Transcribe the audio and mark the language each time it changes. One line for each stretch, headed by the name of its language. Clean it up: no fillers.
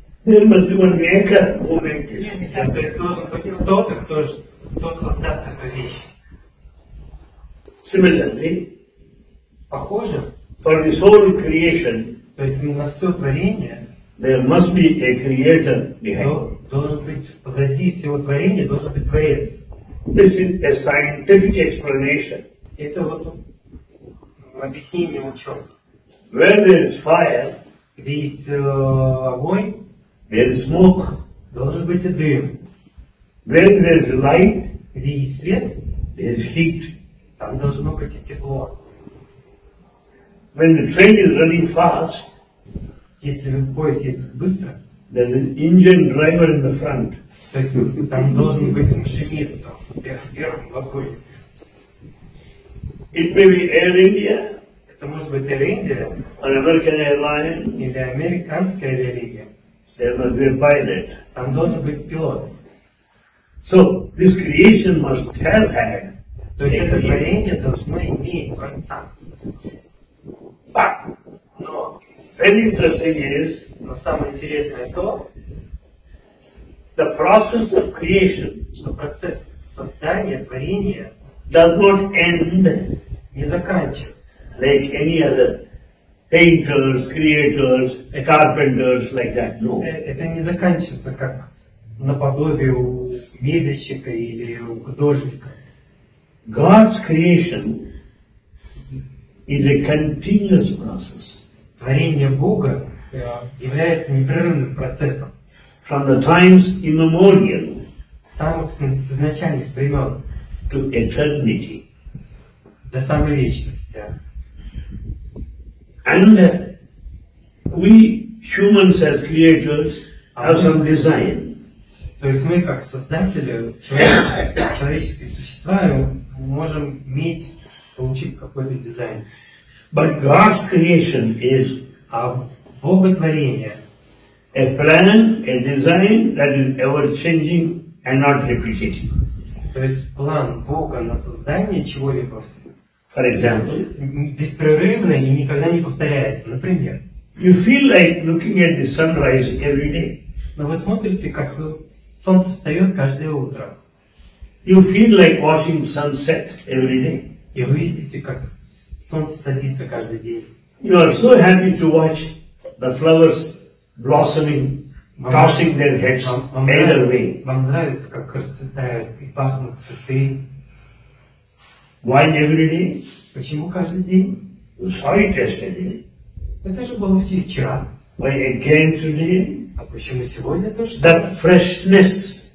English: there must be one maker who made this.
Russian: Yeah, то есть должен быть кто-то, кто создал эту вещь.
English: Similarly,
Russian: похоже,
English: for this whole creation,
Russian: то есть на все творение,
English: there must be a creator behind.
Russian: Должен быть позади всего творения должен быть творец.
English: This is a scientific explanation.
Russian: Это вот объяснение ученых.
English: Where there is fire,
Russian: где есть огонь,
English: there is smoke,
Russian: должен быть и дым.
English: Where there is light,
Russian: где есть свет,
English: there is heat,
Russian: там должно быть и тепло.
English: When the train is running fast,
Russian: если поезд едет быстро,
English: there is an engine driver in the front,
Russian: то есть там должен быть машинист в первом вагоне.
English: It may be Air India.
Russian: Это может быть Air India,
English: an American airline,
Russian: или американская авиалиния.
English: There must be a pilot.
Russian: Там должен быть пилот.
English: So this creation must have had.
Russian: То есть это творение должно иметь творца.
English: But,
Russian: но
English: very interesting is.
Russian: Но самое интересное то,
English: the process of creation,
Russian: что процесс создания творения
English: does not end.
Russian: Не заканчивается.
English: Like any other painters, creators, carpenters, like that. No.
Russian: Это не заканчивается как наподобие у мебельщика или у художника.
English: God's creation is a continuous process.
Russian: Творение Бога является непрерывным процессом.
English: From the times immemorial.
Russian: С изначальных времен.
English: To eternity.
Russian: До самой вечности.
English: And we humans as creators have some design.
Russian: То есть мы как создатели человеческие существа можем иметь получить какой-то дизайн.
English: But God's creation is
Russian: а Боготворение.
English: A plan, a design that is ever changing and not repeating.
Russian: То есть план Бога на создание чего-либо.
English: For example.
Russian: Беспрерывно и никогда не повторяется. Например.
English: You feel like looking at the sunrise every day.
Russian: Но вы смотрите, как солнце встает каждое утро.
English: You feel like watching sunset every day.
Russian: И вы видите, как солнце садится каждый день.
English: You are so happy to watch the flowers blossoming, tossing their heads either way.
Russian: Вам нравится, как расцветают и пахнут цветы.
English: Why every day?
Russian: Почему каждый день?
English: You saw it yesterday.
Russian: Это же было вчера.
English: Why again today?
Russian: А почему сегодня тоже?
English: The freshness.